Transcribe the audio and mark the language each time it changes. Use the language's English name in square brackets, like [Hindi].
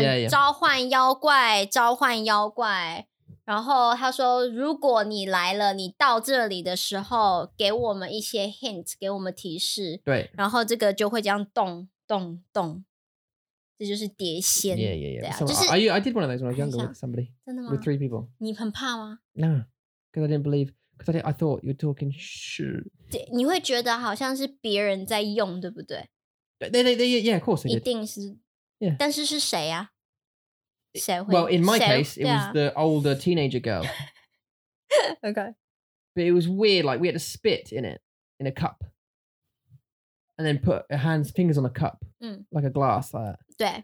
[English] yeah, yeah. [Chinese] 召唤妖怪，召唤妖怪。然后他说如果你来了你到这里的时候给我们一些 hint 给我们提示对然后这个就会这样动动动这就是碟仙 [English] yeah yeah yeah、啊 so, [Chinese] 就是、 [English] are you, I did one of those when I was younger with somebody [Chinese] 真的吗 [English] with three people [Chinese] 你很怕吗 [English] no because I didn't believe because I thought you were talking shit [Chinese] 你会觉得好像是别人在用对不对 [English] they, yeah of course [Chinese] 一定是、 [English] yeah. [Chinese] 但是是谁啊 [English] Well, in my case, it was the older teenager girl. okay. But it was weird, like, we had to spit in it, in a cup. And then put her hands, fingers on a cup, like a glass, like that.